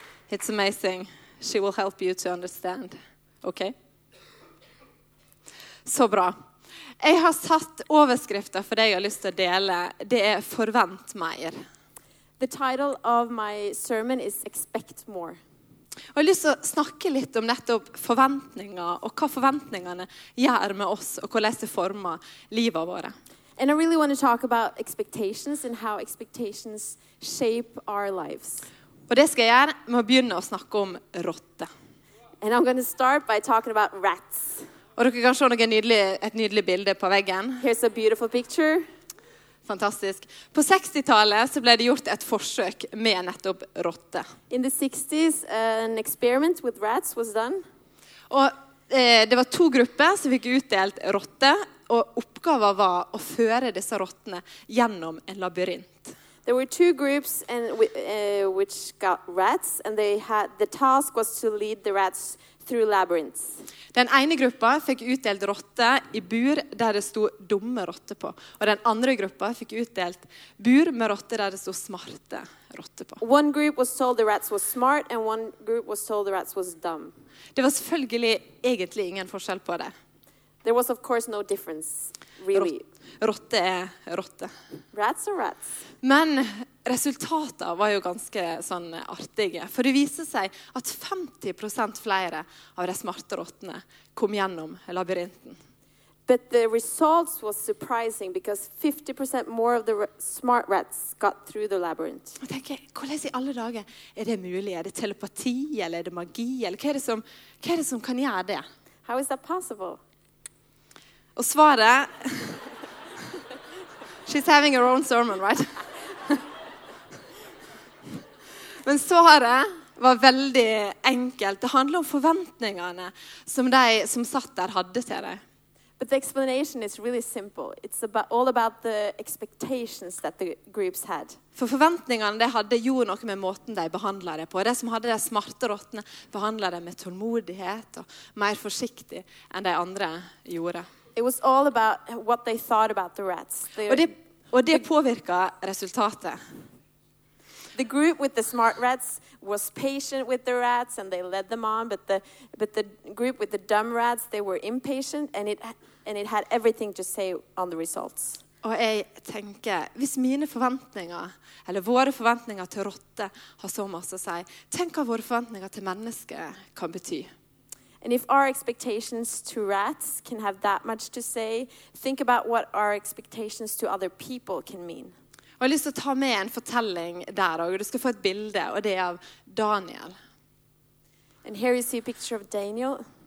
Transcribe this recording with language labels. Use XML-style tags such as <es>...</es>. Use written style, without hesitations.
<en>It's amazing. She will help you to understand. Okay?</en> <no>Så bra. Jeg har satt overskriften for det jeg har lyst til å dele. Det forvent mer.</no> <en>The title of my sermon is Expect More.</en> <no>Og jeg har lyst til å snakke litt om nettopp forventninger, og hva forventningene gjør med oss, og hvordan det former livet våre.</no> <en>And I really want to talk about expectations and how expectations shape our lives.</en> <no>Og det skal jeg gjøre med å begynne å snakke om rotte.</no> <en>And I'm going to start by talking about rats.</en> <no>Og dere kan se noe nydelig, et nydelig bilde på veggen.</no> <en>Here's a beautiful picture.</en> <no>Fantastisk. På 60-tallet så ble det gjort et forsøk med nettopp rotte.</no> <en>In the 60s, an experiment with rats was done.</en> <no>Og det var to grupper som fikk utdelt rotte, og oppgaven var å føre disse rottene gjennom en labyrint.</no> <en>There were two groups and which got rats, and they had the task was to lead the rats through labyrinths.</en> <no>Den ene gruppa fikk utdelt rotte i bur der det stod dumme rotte på, og den andre gruppa fikk utdelt bur med rotte der det stod smarte rotte på.</no> <en>One group was told the rats was smart and one group was told the rats was dumb.</en> <no>Det var selvfølgelig egentlig ingen forskjell på det.</no> <en>There was of course no difference really.</en> <no>Rotte rotte.</no> <en>Rats are rats.</en> <no>Men resultatet var jo ganske sånn artige, for det viste seg at 50% flere av de smarte rottene kom gjennom labyrinten.</no> <en>But the results was surprising because 50% more of the smart rats got through the labyrinth.</en> <no>Og tenker, hvordan i alle dager er det mulig? Er det telepati eller er det magi eller hva er det som kan gjøre det?</no> <en>How is that possible?</en> <no>Og svaret</no> <en>She's having her own sermon, right?</en> <no>Men svaret var veldig enkelt. Det handler om forventningene som de som satt der hadde til deg.</no> <en>But the explanation is really simple. It's all about the expectations that the groups had.</en> <no>For forventningene de hadde gjorde noe med måten de behandlet det på. De som hadde de smarte rottene behandlet det med tålmodighet og mer forsiktig enn de andre gjorde.</no> <en>It was all about what they thought about the rats.</en> <no>Og det påvirket resultatet.</no> <en>The group with the smart rats was patient with the rats and they led them on, but the group with the dumb rats, they were impatient and it had everything to say on the results.</en> <no>Og jeg tenker, hvis mine forventninger, eller våre forventninger til rotte har så mye å si, tenk hva våre forventninger til menneske kan bety.</no> <en>And if our expectations to rats can have that much to say, think about what our expectations to other people can mean.</en> <no>Jeg har lyst til å ta med en fortelling der også. Du skal få et bilde, og det av Daniel.</no> <en>And here you see a picture of Daniel.</en>